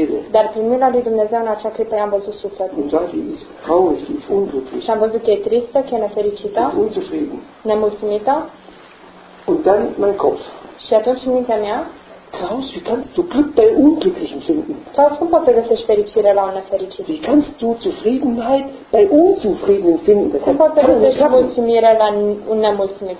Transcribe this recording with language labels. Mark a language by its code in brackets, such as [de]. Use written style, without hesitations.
[ro] Dar prin mâna lui Dumnezeu în acea clipă i-am văzut sufletul. Și am văzut că e tristă, că e nefericită, nemulțumită. [de] Und dann mein Kopf. [ro] Și atunci mintea mea. [de] Klaus, wie kannst du Glück bei Unglücklichen finden? [ro] Klaus, cum poți găsești fericire la un nefericit? [de] Wie kannst du Zufriedenheit bei Unzufriedenen finden? [ro] Cum poți găsești mulțumire la un nemulțumit?